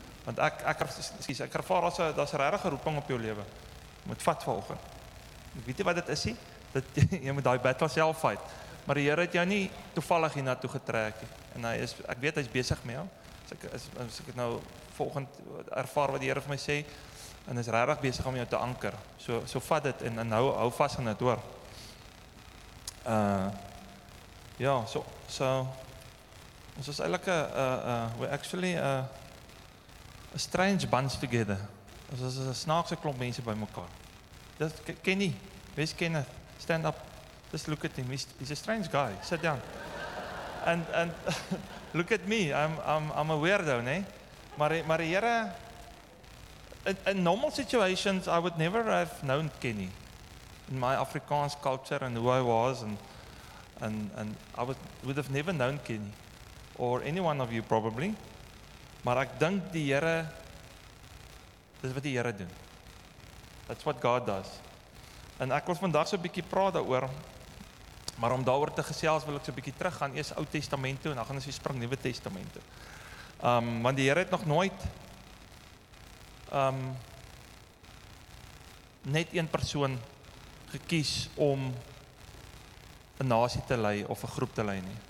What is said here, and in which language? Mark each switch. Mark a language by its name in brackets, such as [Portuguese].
[Afrikaans] Want ek ervaar as daar's 'n regte roeping op jou lewe. Moet vat vanoggend. Weet jy wat dit is? Dat jy moet daai battle self fight. Maar die Here het jou nie toevallig hiernatoe getrek nie. En ek weet hy's besig met jou. As ek nou volgend ervaar wat die Here vir my sê en is regtig besig om jou te anker. So vat dit en hou vas aan dit, hoor. Ja, so ons is eintlik [English] a strange bunch together. [Afrikaans] Ons is 'n snaakse klomp mense bymekaar. Dis Kenny, Wes Kenneth, [English] stand up. Just look at him. He's a strange guy. Sit down. And look at me. I'm a weirdo, né? [Afrikaans] Maar Here, [English] in normal situations I would never have known Kenny. In my Afrikaans culture and who I was and I would have never known Kenny or any one of you probably. [Afrikaans] Maar ek dink die Here, dis wat die Here doen. [English] That's what God does. [Afrikaans] En ek wil vandag so 'n bietjie praat daaroor. Maar om daaroor te gesels wil ek so 'n bietjie teruggaan eers Ou Testament toe en dan gaan ons weer spring Nuwe Testament toe. Want die Here het nog nooit net een persoon gekies om 'n nasie te lei of 'n groep te lei nie.